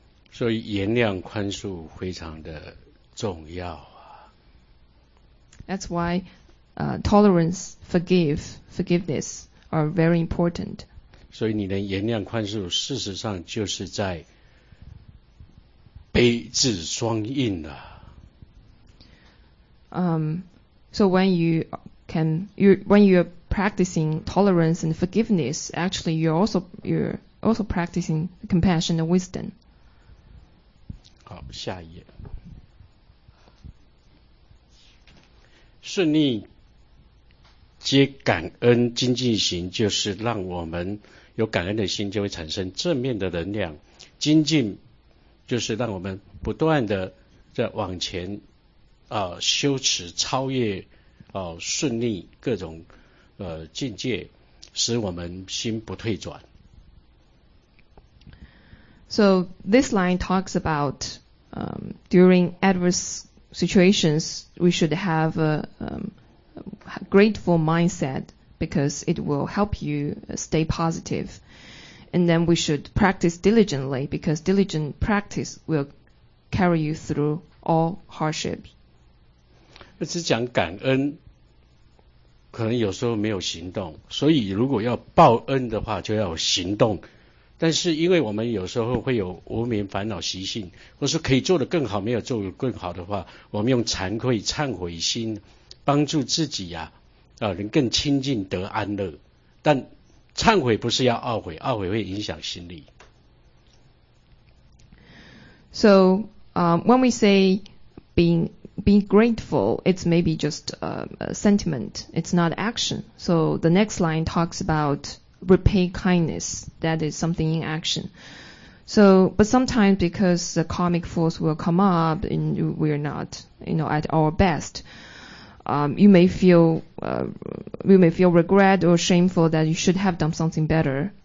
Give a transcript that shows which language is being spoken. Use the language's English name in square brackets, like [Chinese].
[Chinese] 所以原谅宽恕非常的重要啊。 [English] That's why tolerance, forgiveness are very important. [Chinese] 所以你能原谅宽恕事实上就是在悲智双运啊。 [English] So when you can, when you're practicing tolerance and forgiveness, actually you're also practicing compassion and wisdom. [Chinese] 好，下一页。顺逆接感恩精进行，就是让我们有感恩的心，就会产生正面的能量。精进就是让我们不断的在往前修持，超越顺利各种境界，使我们心不退转。 [English] So this line talks about during adverse situations, we should have a grateful mindset because it will help you stay positive. And then we should practice diligently because diligent practice will carry you through all hardships. [Chinese] 那只讲感恩，可能有时候没有行动，所以如果要报恩的话，就要有行动。但是因为我们有时候会有无明烦恼习性，或是可以做得更好，没有做得更好的话，我们用惭愧忏悔心帮助自己能更亲近得安乐。但忏悔不是要懊悔，懊悔会影响心力。 [English] So when we say being grateful, it's maybe just a sentiment, it's not action. So the next line talks aboutrepay kindness, that is something in action. So, but sometimes because the karmic force will come up and we're not, you know, at our best, you may feel regret or shameful that you should have done something better.